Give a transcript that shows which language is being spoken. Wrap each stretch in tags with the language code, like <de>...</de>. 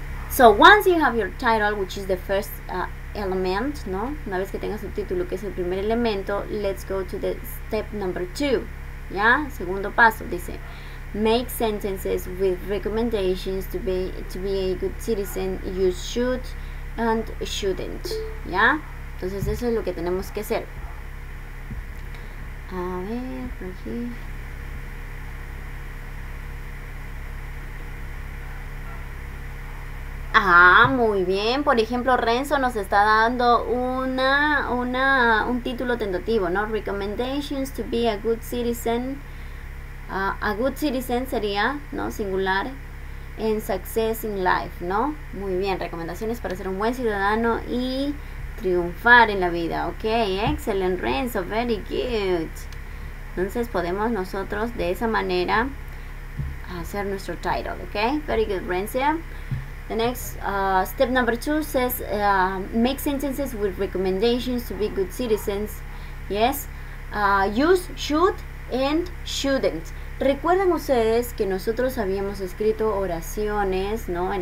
<en>So once you have your title, which is the first element,</en> <es>¿no? Una vez que tengas tu título, que es el primer elemento,</es> <en>let's go to the step number two,</en> <es>¿ya? Segundo paso, dice,</es> <en>make sentences with recommendations to be a good citizen, you should and shouldn't, ¿ya?</en> <es>Entonces eso es lo que tenemos que hacer. A ver, por aquí. Ah, muy bien. Por ejemplo, Renzo nos está dando un título tentativo, ¿no?</es> <en>Recommendations to be a good citizen. A good citizen</en> <es>sería, ¿no?</es> <en>Singular.</en> <es>En</es> <en>success in life,</en> <es>¿no? Muy bien. Recomendaciones para ser un buen ciudadano y triunfar en la vida. Ok, excelente, Renzo.</es> <en>Very good.</en> <es>Entonces podemos nosotros de esa manera hacer nuestro title, ¿ok?</es> <en>Very good, Renzo. The next step number two says make sentences with recommendations to be good citizens. Yes. Use should and shouldn't.</en> <es>Recuerden ustedes que nosotros habíamos escrito oraciones, ¿no?</es>